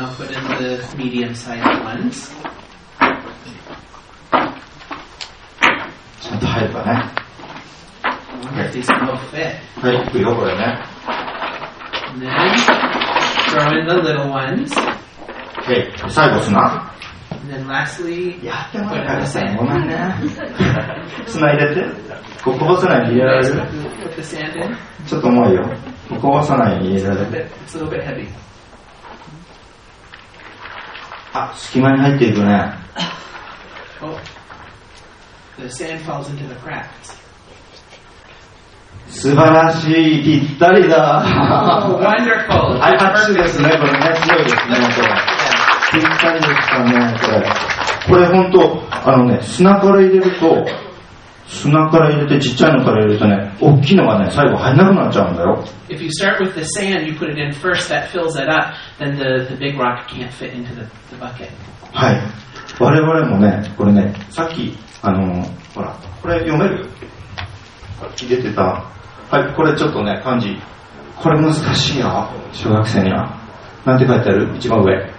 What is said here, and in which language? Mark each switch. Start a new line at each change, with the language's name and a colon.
English: And then I'll put in the medium-sized ones.
Japanese: ちゃんと入ればね。
English: I wonder if these will fit.
Japanese: はい、いくよ、これね。
English: And then... Throw in the little ones.
Japanese: Okay, 最後砂。
English: And then lastly,
Japanese: やってもらったらごめんね。砂入れて。こぼさないように入れられる。
English: Put the sand in.
Japanese: ちょっと重いよ。こぼさないように入れられる。
English: It's a little bit heavy.
Japanese: あ、隙間に入っていくね。
English: Oh, the sand falls into the cracks.
Japanese: 素晴らしい、ぴったりだ。
English: Oh, wonderful.
Japanese: はい、拍手ですね、これね、強いですね、本当。ぴったりでしたね、これ。これ本当、あのね、砂から入れると、砂から入れて、ちっちゃいのから入れるとね、大きいのがね、最後入らなくなっちゃうんだよ。
English: If you start with the sand, you put it in first, that fills it up, then the big rock can't fit into the bucket.
Japanese: はい。我々もね、これね、さっき、ほら、これ読める？入れてた。はい、これちょっとね、漢字。これ難しいな、小学生には。なんて書いてある？一番上。